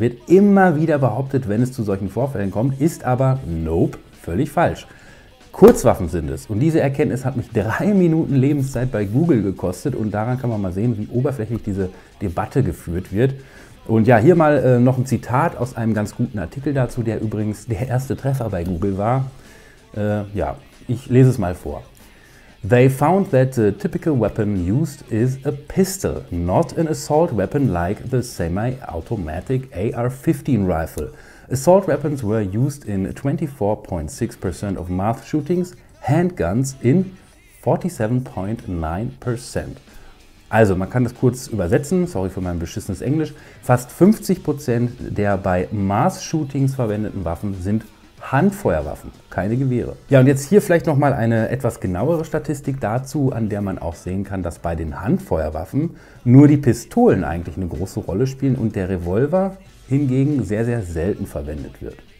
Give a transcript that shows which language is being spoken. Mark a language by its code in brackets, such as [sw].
[de] Wird immer wieder behauptet, wenn es zu solchen Vorfällen kommt, ist aber, nope, völlig falsch. Kurzwaffen sind es. Und diese Erkenntnis hat mich 3 Minuten Lebenszeit bei Google gekostet. Und daran kann man mal sehen, wie oberflächlich diese Debatte geführt wird. Und ja, hier mal noch ein Zitat aus einem ganz guten Artikel dazu, der übrigens der erste Treffer bei Google war. Ich lese es mal vor. [en] They found that the typical weapon used is a pistol, not an assault weapon like the semi-automatic AR-15 rifle. Assault weapons were used in 24.6% of mass shootings, handguns in 47.9%. [de] Also, man kann das kurz übersetzen, sorry für mein beschissenes Englisch. Fast 50% der bei mass shootings verwendeten Waffen sind Handfeuerwaffen, keine Gewehre. Ja, und jetzt hier vielleicht nochmal eine etwas genauere Statistik dazu, an der man auch sehen kann, dass bei den Handfeuerwaffen nur die Pistolen eigentlich eine große Rolle spielen und der Revolver hingegen sehr, sehr selten verwendet wird.